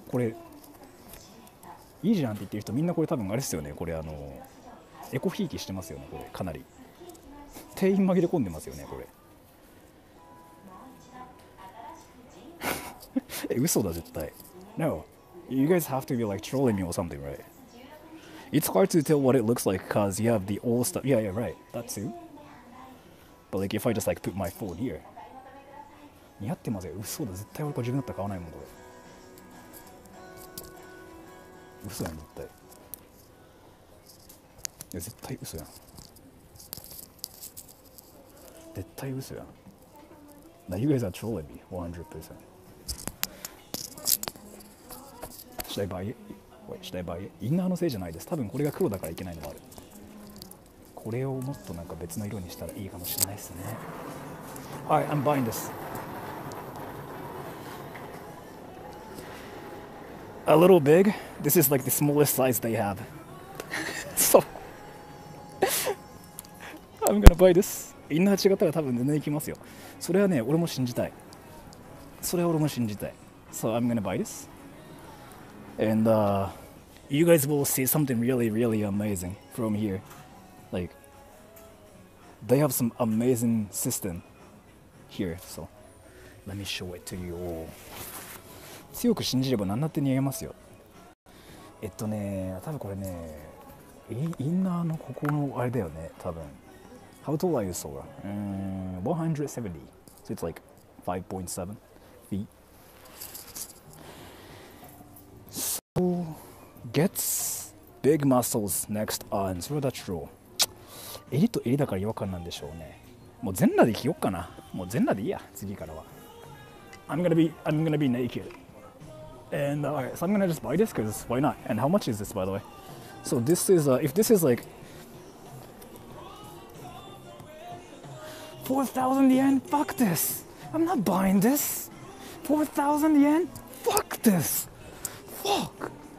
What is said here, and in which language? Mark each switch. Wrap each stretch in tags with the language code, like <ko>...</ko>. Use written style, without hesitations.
<ja>これ、いいじゃんって言ってる人、みんなこれ多分あれですよね。これ、エコひいきしてますよね、これ、かなり。店員紛れ込んでますよね、これ。嘘だ、絶対。</ja> <en>No. You guys have to be like trolling me or something, right? It's hard to tell what it looks like because you have the old stuff. Yeah, yeah, right. That too. But like, if I just like put my phone here.</en> <ja>似合ってますよ。嘘だ、絶対俺これ自分だったら買わないもん、これ。嘘やん、絶対。いや、絶対嘘やん。絶対嘘やん。</ja> <en>Now you guys are trolling me, 100%. Should I buy it?</en> <ja>Wait, should I buy it? インナーのせいじゃないです。多分これが黒だからいけないのもある。これをもっとなんか別の色にしたらいいかもしれないですね。</ja> <en>Alright, I'm buying this. A little big. This is like the smallest size they have. So, I'm gonna buy this.</en> <ja>インナー違ったら多分全然いきますよ。それはね、俺も信じたい。それは俺も信じたい。</ja> <en>So I'm gonna buy this. And you guys will see something really, really amazing from here. Like, they have some amazing system here. So, let me show it to you all.</en> <ja>強く信じれば何だって逃げますよ。ね、多分これね、インナーのここのあれだよね、多分。</ja> <en>How tall are you, Sora? 170. So it's like 5.7 feet. So, gets big muscles next on.</en> <ja>それは</ja> <en>that's true.</en> <ja>襟と襟だから違和感なんでしょうね。もう全裸で着ようかな。もう全裸でいいや、次からは。</ja> <en>I'm gonna be naked. And alright, so I'm gonna just buy this because why not? And how much is this, by the way? So this is, if this is like... 4,000 yen? Fuck this! I'm not buying this! 4,000 yen? Fuck this! Fuck!</en>